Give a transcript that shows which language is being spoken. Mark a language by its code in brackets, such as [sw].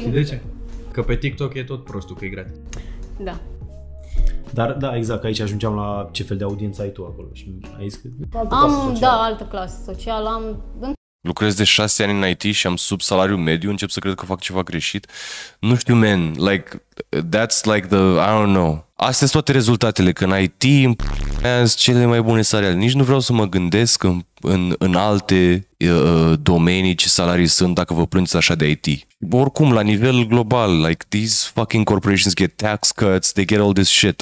[ro] de ce? Că pe TikTok e tot prostul, că e gratis. Da. Dar, da, exact, aici ajungeam la ce fel de audiență ai tu acolo și ai zis că... Altă clasă socială, am... Lucrez de 6 ani în IT și am sub salariu mediu, încep să cred că fac ceva greșit. Nu știu, [en] man, like, that's like the, I don't know. [ro] Astea sunt toate rezultatele, că în IT sunt cele mai bune salarii. Nici nu vreau să mă gândesc în alte domenii ce salarii sunt dacă vă plângeți așa de IT. Oricum, la nivel global, [en] like, these fucking corporations get tax cuts, they get all this shit.